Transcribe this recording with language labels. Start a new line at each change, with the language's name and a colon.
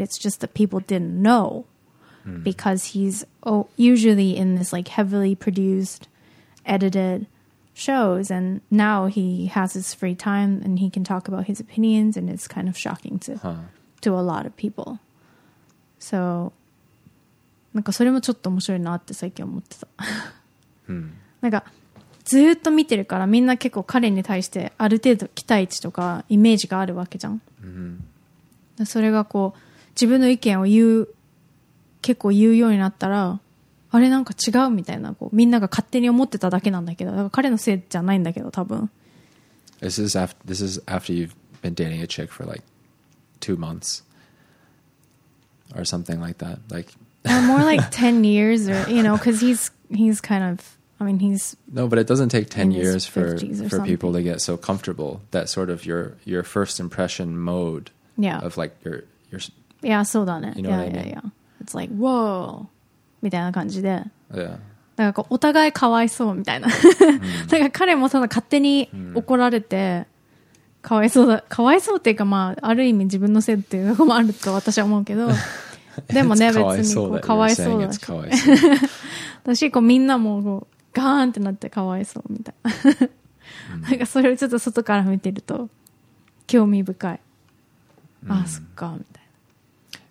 English: It's just that people didn't know because he's usually in this like heavily produced, edited shows, and now he has his free time and he can talk about his opinions, and it's kind of shocking to a lot of people.
Japanese: So, なんかそれもちょっと面白いなって最近思ってた。なんかずっと見てるからみんな結構彼に対してある程度期待値とかイメージがあるわけじゃん。それがこう自分の意見を言う、結構言うようになったら、あれなんか違うみたいな、こうみんなが勝手に思ってただけなんだけど、だから彼のせいじゃないんだけど多分。
English: This is after you've been dating a chick for like 2 months or something like that. Like more like 10 years, or you know, because he's kind of, I mean, he's no, but it doesn't take 10 years for people to get so comfortable that sort of your first impression mode, yeah, of like your yeah, so done it, you know, yeah, what I mean? Yeah, yeah, it's like whoa.
Japanese: みたいな感じで、
English: yeah.
Japanese: なんかこうお互いかわいそうみたいな、なんか彼もその勝手に怒られて、かわいそうだ、かわいそうっていうか、まあある意味自分のせいっていうのもあると私は思うけど、でもね、別にこうかわいそうだし、私こうみんなもこうガーンってなってかわいそうみたいな、なんかそれをちょっと外から見てると興味深い、あ、そっかみたいな。